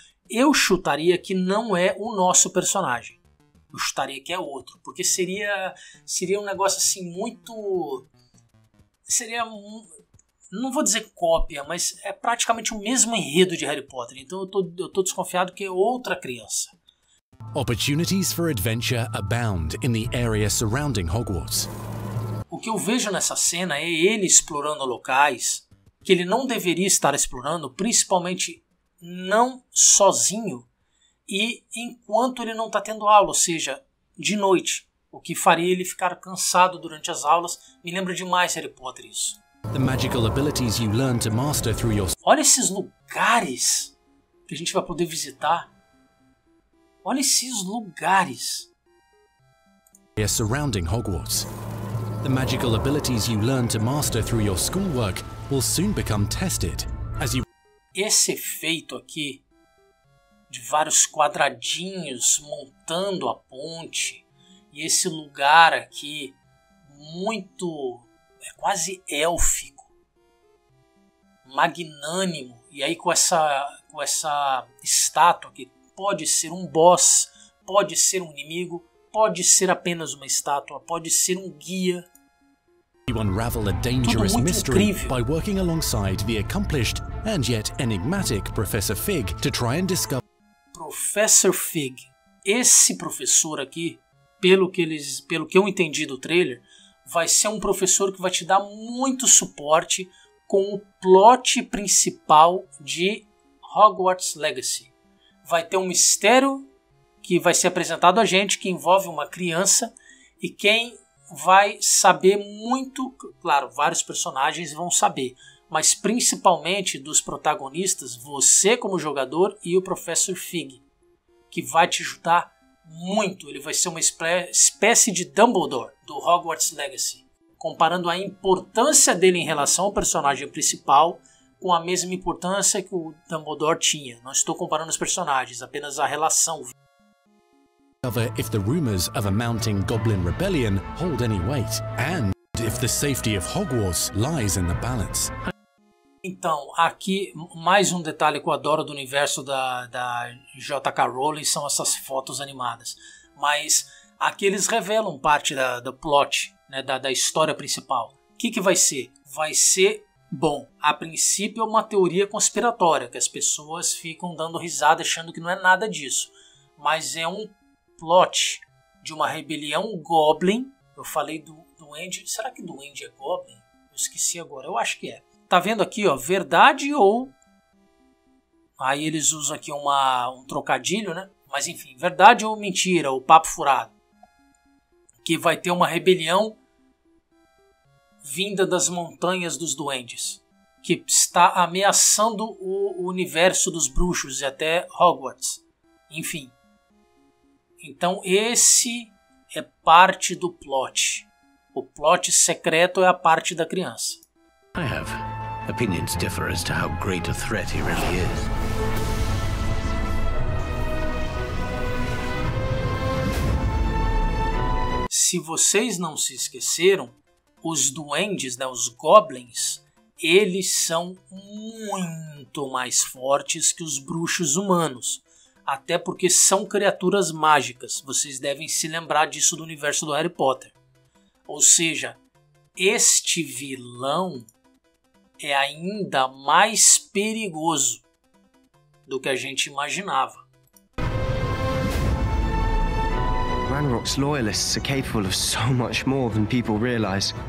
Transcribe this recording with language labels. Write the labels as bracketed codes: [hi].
[pt] Eu chutaria que não é o nosso personagem. Eu chutaria que é outro. Porque seria um negócio assim muito... Seria... Não vou dizer cópia, mas é praticamente o mesmo enredo de Harry Potter. Então eu tô desconfiado que é outra criança. [en] Opportunities for adventure abound in the area surrounding Hogwarts. [pt] O que eu vejo nessa cena é ele explorando locais que ele não deveria estar explorando, principalmente não sozinho e enquanto ele não está tendo aula, ou seja, de noite, o que faria ele ficar cansado durante as aulas. Me lembra demais Harry Potter isso. [en] The magical abilities you learn to master through your... [pt] Olha esses lugares que a gente vai poder visitar. Olha esses lugares. [en] They are surrounding Hogwarts. The magical abilities you learn to master through your schoolwork will soon become tested as you... [pt] Esse efeito aqui de vários quadradinhos montando a ponte e esse lugar aqui muito, é quase élfico, magnânimo, e aí com essa estátua aqui. Pode ser um boss, pode ser um inimigo, pode ser apenas uma estátua, pode ser um guia. [en] You unravel a dangerous mystery by working alongside the accomplished and yet enigmatic Professor Fig to try and discover. [pt] Professor Fig, esse professor aqui, pelo que eu entendi do trailer, vai ser um professor que vai te dar muito suporte com o plot principal de Hogwarts Legacy. Vai ter um mistério que vai ser apresentado a gente, que envolve uma criança, e quem vai saber muito, claro, vários personagens vão saber, mas principalmente dos protagonistas, você como jogador e o Professor Fig, que vai te ajudar muito. Ele vai ser uma espécie de Dumbledore do Hogwarts Legacy, comparando a importância dele em relação ao personagem principal com a mesma importância que o Dumbledore tinha. Não estou comparando os personagens, apenas a relação. [en] Discover if the rumors of a mounting goblin rebellion hold any weight, and if the safety of Hogwarts lies in the balance. [pt] Então, aqui mais um detalhe que eu adoro do universo da J.K. Rowling são essas fotos animadas. Mas aqui eles revelam parte do plot, né, da história principal. O que vai ser? Vai ser... Bom, a princípio é uma teoria conspiratória, que as pessoas ficam dando risada achando que não é nada disso. Mas é um plot de uma rebelião goblin. Eu falei do duende. Será que duende é goblin? Eu esqueci agora. Eu acho que é. Tá vendo aqui, ó, verdade ou... Aí eles usam aqui um trocadilho, né? Mas enfim, verdade ou mentira, ou papo furado. Que vai ter uma rebelião vinda das montanhas dos duendes, que está ameaçando o universo dos bruxos e até Hogwarts. Enfim. Então esse é parte do plot. O plot secreto é a parte da criança. [en] I have opinions differ as to how great a threat he really is. [pt] Se vocês não se esqueceram, os duendes, né, os goblins, eles são muito mais fortes que os bruxos humanos. Até porque são criaturas mágicas. Vocês devem se lembrar disso do universo do Harry Potter. Ou seja, este vilão é ainda mais perigoso do que a gente imaginava. [en] Ranrock's loyalists are capable of so much more than people realize.